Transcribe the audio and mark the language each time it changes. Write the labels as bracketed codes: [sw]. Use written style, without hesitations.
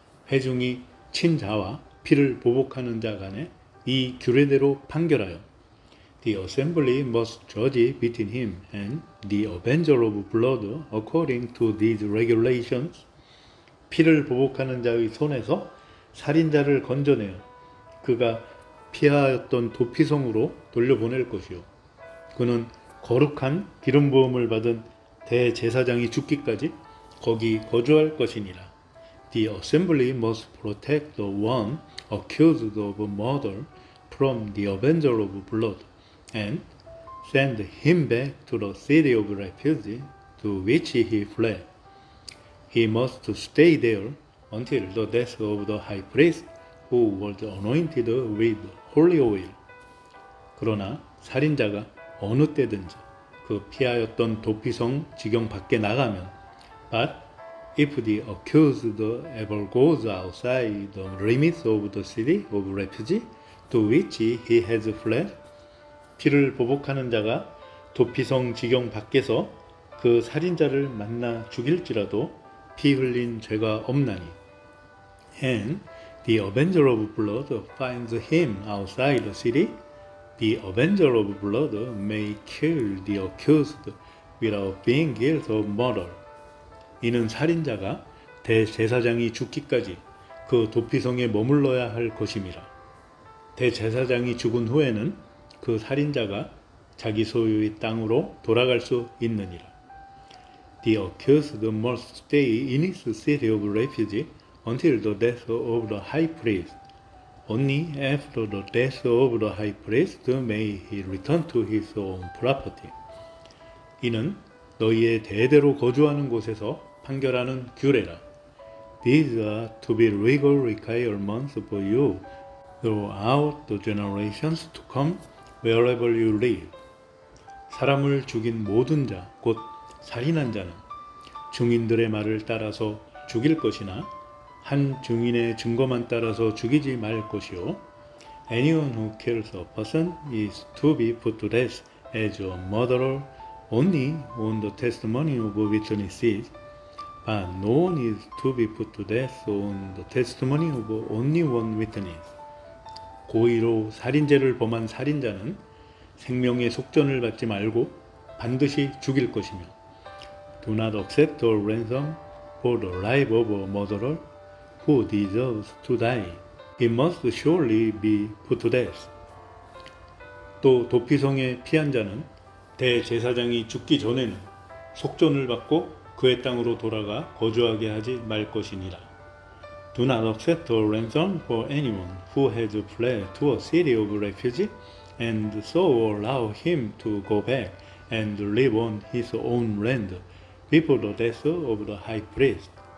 [ko] 회중이 친 자와 피를 보복하는 자 간에 이 규례대로 판결하여 [en] The assembly must judge between him and the avenger of blood according to these regulations. [ko] 피를 보복하는 자의 손에서 살인자를 건져내어 그가 피하였던 도피성으로 돌려보낼 것이요. 그는 거룩한 기름 부음을 받은 대제사장이 죽기까지 거기 거주할 것이니라. [en] The assembly must protect the one accused of murder from the avenger of blood and send him back to the city of refuge to which he fled. He must stay there until the death of the high priest who was anointed with holy oil. [ko] 그러나 살인자가 어느 때든지 그 피하였던 도피성 지경 밖에 나가면 [en] But if the accused ever goes outside the limits of the city of refuge to which he has fled, [ko] 피를 보복하는 자가 도피성 지경 밖에서 그 살인자를 만나 죽일지라도 피 흘린 죄가 없나니 [en] And the avenger of blood finds him outside the city, the avenger of blood may kill the accused without being guilty of murder. [ko] 이는 살인자가 대제사장이 죽기까지 그 도피성에 머물러야 할 것임이라. 대제사장이 죽은 후에는 그 살인자가 자기 소유의 땅으로 돌아갈 수 있느니라. [en] The accused must stay in his city of refuge until the death of the high priest, Only after the death of the high priest may he return to his own property. [ko] 이는 너희의 대대로 거주하는 곳에서 판결하는 규례라. [en] These are to be legal requirements for you throughout the generations to come wherever you live. [ko] 사람을 죽인 모든 자, 곧 살인한 자는 증인들의 말을 따라서 죽일 것이나 한 증인의 증거만 따라서 죽이지 말 것이요. [en] Anyone who kills a person is to be put to death as a murderer only on the testimony of witnesses. But no one is to be put to death on the testimony of only one witness. [ko] 고의로 살인죄를 범한 살인자는 생명의 속전을 받지 말고 반드시 죽일 것이며 [en] Do not accept the ransom for the life of a murderer who deserves to die. He must surely be put to death. [ko] 또 도피성에 피한 자는 대제사장이 죽기 전에는 속전을 받고 그의 땅으로 돌아가 거주하게 하지 말 것이니라. [en] Do not accept the ransom for anyone who has fled to a city of refuge and so allow him to go back and live on his own land before the death of the high priest.